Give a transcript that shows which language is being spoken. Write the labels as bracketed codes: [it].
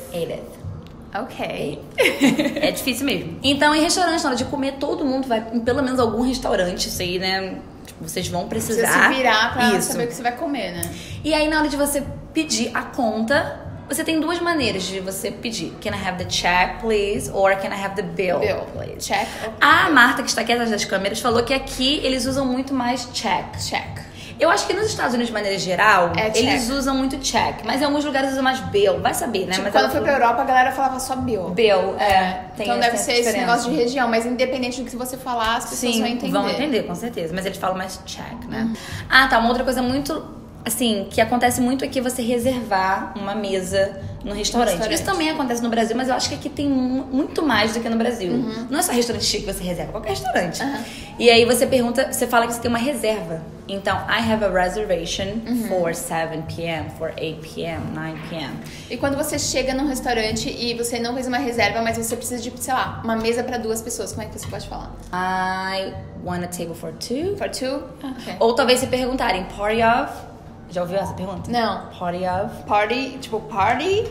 [en] 8th. Ok. [pt] É difícil mesmo. Então, em restaurante, na hora de comer, todo mundo vai em pelo menos algum restaurante, isso aí, né? Tipo, vocês vão precisar. Precisa se virar pra saber o que você vai comer, né? E aí, na hora de você pedir a conta, você tem duas maneiras de você pedir. [en] Can I have the check, please? Or can I have the bill, please? Check. [pt] A Marta, que está aqui atrás das câmeras, falou que aqui eles usam muito mais check. [en] Check. [pt] Eu acho que nos Estados Unidos, de maneira geral, eles usam muito check. Mas em alguns lugares usam mais bill. Vai saber, né? Tipo, mas quando eu fui pra Europa, a galera falava só bill. [en] Bill, [pt] tem então deve ser diferença. Esse negócio de região. Mas independente do que você falar, as pessoas vão entender. Sim, vão entender, com certeza. Mas eles falam mais check, né? Ah, tá. Uma outra coisa muito... Assim, que acontece muito aqui é você reservar uma mesa no restaurante. Isso também acontece no Brasil, mas eu acho que aqui tem muito mais do que no Brasil. Uhum. Não é só restaurante chique que você reserva, qualquer restaurante. Uhum. E aí você pergunta, você fala que você tem uma reserva. Então, [en] I have a reservation for 7 p.m., for 8 p.m., 9 p.m. [pt] E quando você chega num restaurante e você não fez uma reserva, mas você precisa de, sei lá, uma mesa pra duas pessoas, como é que você pode falar? [en] I want a table for two. For two? Okay. [pt] Ou talvez se perguntarem, party of... Já ouviu essa pergunta? Não. [en] Party of... [pt] Party, tipo, party?